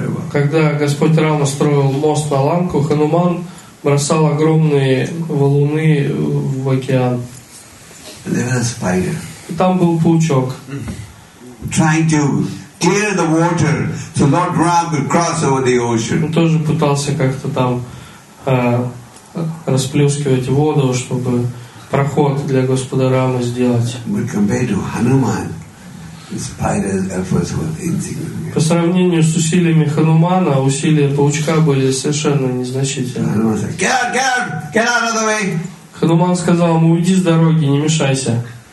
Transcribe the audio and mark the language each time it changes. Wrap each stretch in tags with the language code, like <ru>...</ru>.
<ru>Когда Господь Рама строил мост на Ланку, Хануман бросал огромные валуны в океан.</ru> <en>There was a spider.</en> <ru>Там был паучок.</ru> <en>Trying to clear the water so Lord Ram could cross over the ocean.</en> <ru>Он тоже пытался как-то там расплескивать воду, чтобы проход для Господа Рамы сделать.</ru> <en>But compared to Hanuman, the spider's efforts were insignificant.</en> <ru>По сравнению с усилиями Ханумана, усилия паучка были совершенно незначительны.</ru> <en>Hanuman said, "Get out of the way."</en> <ru>Хануман сказал ему, уйди с дороги, не мешайся.</ru>